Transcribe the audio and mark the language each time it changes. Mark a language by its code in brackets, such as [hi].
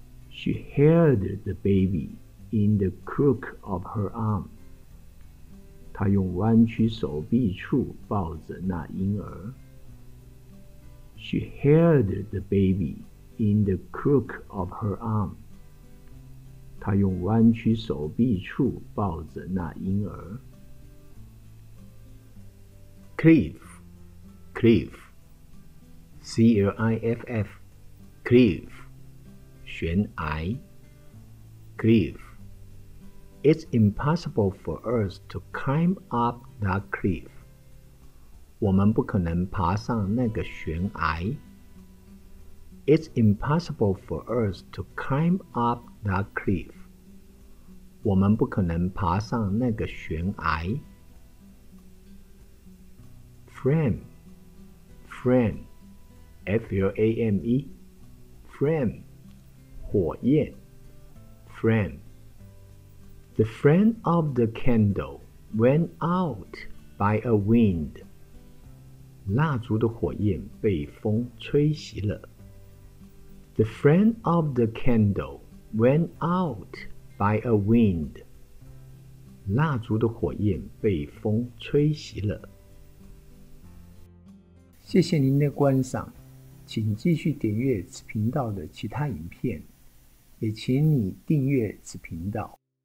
[en] She held the baby in the crook of her arm. [zh] 她用弯曲手臂处抱着那婴儿 [en] She held the baby in the crook of her arm. [zh] 他用弯曲手臂处抱着那婴儿。 [en] Cliff, C-L-I-F-F, Cliff, [zh] 悬崖。 [en] Cliff, It's impossible for us to climb up that cliff. [zh] 我们不可能爬上那个悬崖。 [en] It's impossible for us to climb up that cliff. [zh] 我们不可能爬上那个悬崖。 [en] frame, frame, F-L-A-M-E, frame, 火焰 frame. The frame of the candle went out by a wind. [zh] 蜡烛的火焰被风吹熄了。 [en] The frame of the candle went out by a wind. [zh] 蜡烛的火焰被风吹熄了。谢谢您的观赏，请继续点阅此频道的其他影片，也请你订阅此频道。